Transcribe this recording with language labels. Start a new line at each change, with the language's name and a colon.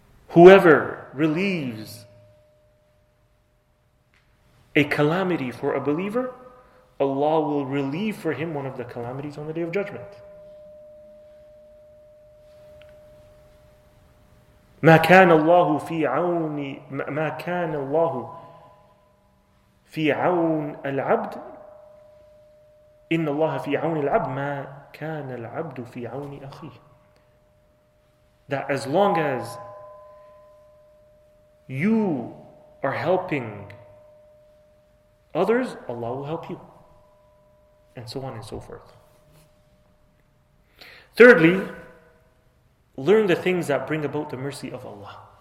English: Whoever relieves a calamity for a believer, Allah will relieve for him one of the calamities on the Day of Judgment.
Arabic: ما كان الله في عون ما كان الله في عون العبد إن الله في عون العبد ما كان العبد في عون أخيه.
English: That as long as you are helping others, Allah will help you. And so on and so forth. Thirdly, learn the things that bring about the mercy of Allah.